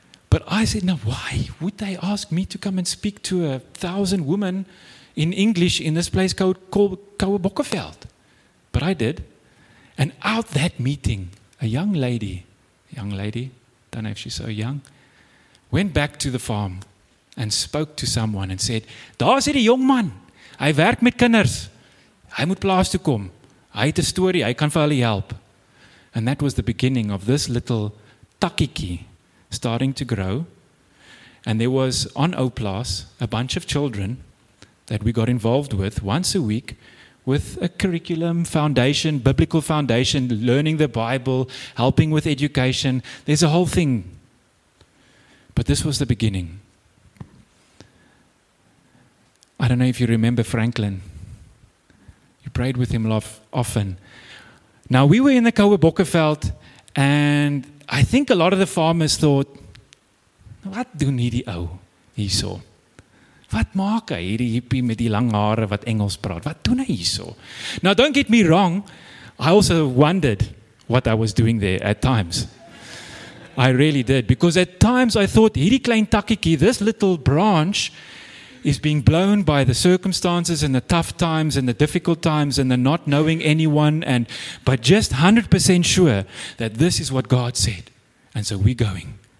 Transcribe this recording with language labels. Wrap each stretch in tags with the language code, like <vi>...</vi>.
<en>But I said, now, why would they ask me to come and speak to 1,000 women in English in this place called Kouwebokkeveld? But I did. And out that meeting, a young lady, don't know if she's so young, went back to the farm and spoke to someone and said,</en> <af>daar sit die jong man. Hy werk met kinders. Hy moet plaas toe kom. Hy het 'n storie, hy kan vir hulle help.</af> <en>And that was the beginning of this little takkiekie starting to grow. And there was on Oplaas a bunch of children that we got involved with once a week with a curriculum foundation, biblical foundation, learning the Bible, helping with education. There's a whole thing. But this was the beginning. I don't know if you remember Franklin. You prayed with him often. Now, we were in the Kouwebokkeveld, and I think a lot of the farmers thought,</en> <af>wat doen hierdie ou hierso? Wat maak hy hierdie hippie met die lang hare wat Engels praat? Wat doen hy hierso?</af> <en>Now, don't get me wrong. I also wondered what I was doing there at times. I really did. Because at times I thought,</en> <af>hierdie klein takkiekie,</af> <en>this little branch is being blown by the circumstances and the tough times and the difficult times and the not knowing anyone, and but just 100% sure that this is what God said. And so we're going.</en>